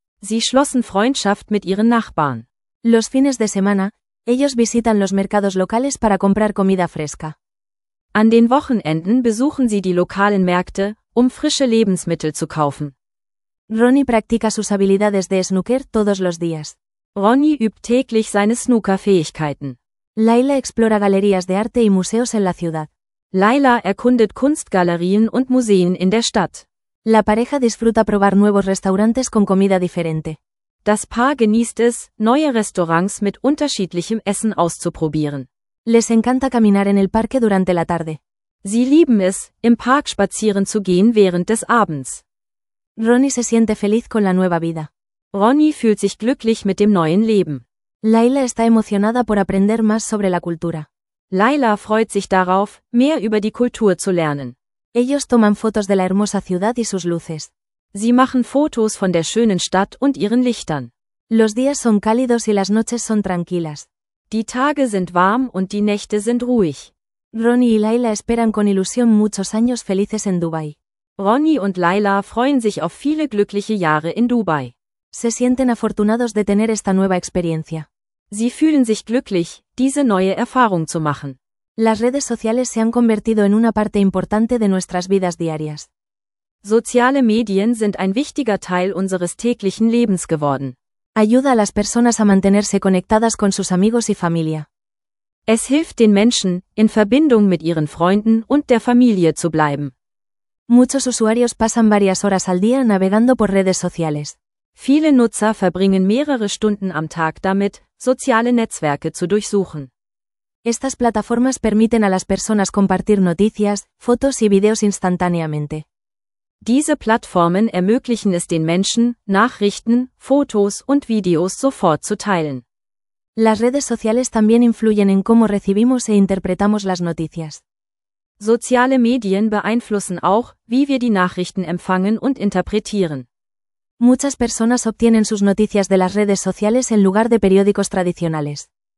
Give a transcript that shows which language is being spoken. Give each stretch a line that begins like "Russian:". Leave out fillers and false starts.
German: Sie schlossen Freundschaft mit ihren Nachbarn.
Spanish: Los fines de semana, ellos visitan los mercados locales para comprar comida fresca.
German: An den Wochenenden besuchen sie die lokalen Märkte, um frische Lebensmittel zu kaufen.
Spanish: Ronnie practica sus habilidades de snooker todos los días.
German: Ronnie übt täglich seine Snooker-Fähigkeiten.
Spanish: Laila explora galerías de arte y museos en la ciudad.
German: Laila erkundet Kunstgalerien und Museen in der Stadt.
Spanish: La pareja disfruta probar nuevos restaurantes con comida diferente.
German: Das Paar genießt es, neue Restaurants mit unterschiedlichem Essen auszuprobieren.
Spanish: Les encanta caminar en el parque durante la tarde.
German: Sie lieben es, im Park spazieren zu gehen während des Abends.
Spanish: Ronnie se siente feliz con la nueva vida.
German: Ronnie fühlt sich glücklich mit dem neuen Leben.
Spanish: Laila está emocionada por aprender más sobre la cultura.
German: Laila freut sich darauf, mehr über die Kultur zu lernen.
Spanish: Ellos toman fotos de la hermosa ciudad y sus luces.
German: Sie machen Fotos von der schönen Stadt und ihren Lichtern.
Spanish: Los días son cálidos y las noches son tranquilas.
German: Die Tage sind warm und die Nächte sind ruhig.
Spanish: Ronnie y Laila esperan con ilusión muchos años felices en Dubai.
German: Ronnie und Laila freuen sich auf viele glückliche Jahre in Dubai.
Spanish: Se sienten afortunados de tener esta nueva experiencia.
German: Sie fühlen sich glücklich, diese neue Erfahrung zu machen.
Spanish: Las redes sociales se han convertido en una parte importante de nuestras vidas diarias.
German: Soziale Medien sind ein wichtiger Teil unseres täglichen Lebens geworden.
Spanish: Ayuda a las personas a mantenerse conectadas con sus amigos y familia.
German: Es hilft den Menschen, in Verbindung mit ihren Freunden und der Familie zu bleiben.
Spanish: Muchos usuarios pasan varias horas al día navegando por redes sociales.
German: Viele Nutzer verbringen mehrere Stunden am Tag damit, soziale Netzwerke zu durchsuchen.
Spanish: Estas plataformas permiten a las personas compartir noticias, fotos y videos instantáneamente.
German: Diese Plattformen ermöglichen es den Menschen, Nachrichten, Fotos und Videos sofort zu teilen.
Spanish: Las redes sociales también influyen en cómo recibimos e interpretamos las noticias.
German: Soziale Medien beeinflussen auch, wie wir die Nachrichten empfangen und interpretieren.
Spanish: Muchas personas obtienen sus noticias de las redes sociales en lugar de periódicos tradicionales.